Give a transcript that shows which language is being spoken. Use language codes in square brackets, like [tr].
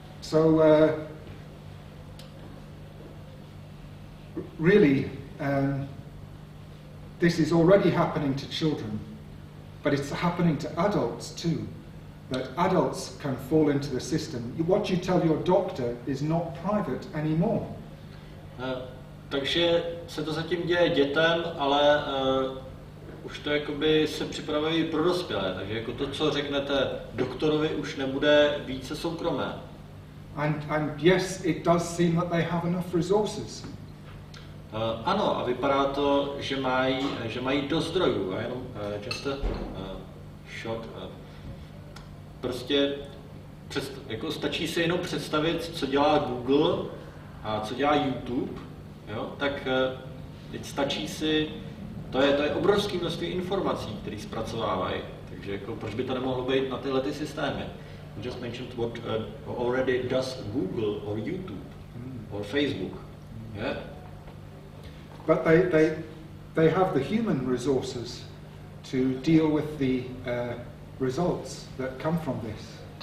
[en] So really this is already happening to children, but it's happening to adults too. That adults can fall into the system. What you tell your doctor is not private anymore. [cs] Takže se to zatím děje dětem, ale už to jakoby se připravuje pro dospělé. Takže jako to, co řeknete doktorovi, už nebude více soukromé. [en] And yes, it does seem that they have enough resources. [cs] Ano, a vypadá to, že mají dost zdrojů. A jenom [en] just a short. [cs] Prostě jako stačí se jenom představit, co dělá Google a co dělá YouTube, jo? Tak teď stačí si, to je obrovské množství informací, které zpracovávají, takže jako, proč by to nemohlo být na tyhle ty systémy? [en] You just mentioned what already does Google or YouTube or Facebook, yeah? But they have the human resources to deal with the results that come from this.